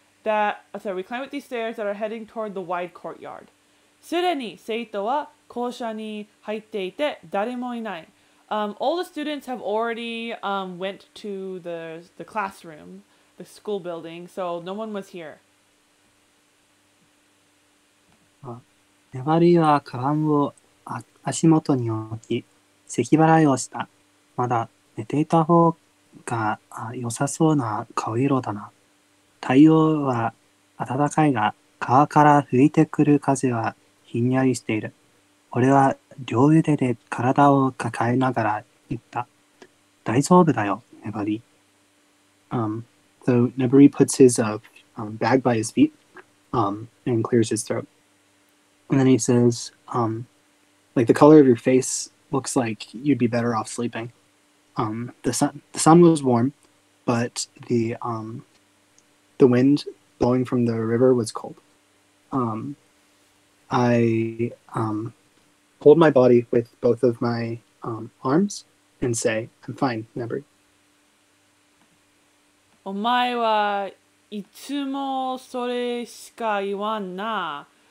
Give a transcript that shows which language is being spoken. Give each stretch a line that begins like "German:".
English: We climb up these stairs that are heading toward the wide courtyard.
Japanese: すでに生徒は校舎に入っていて誰もいない。
English: All the students have already went to the classroom, the school building, so no one was here.
Japanese: ネバリはカバンを足元に置き、咳払いをした。まだ寝ていた方が良さそうな顔色だな。太陽は暖かいが、川から吹いてくる風はひんやりしている。俺は両腕で体を抱えながら言った。大丈夫だよ、ネバリ。
English: So Nebri puts his bag by his feet and clears his throat. And then he says, like the color of your face looks like you'd be better off sleeping. The sun was warm, but the wind blowing from the river was cold. I hold my body with both of my arms and say, I'm fine, Nebri.
Japanese: お前はいつもそれしか言わんな。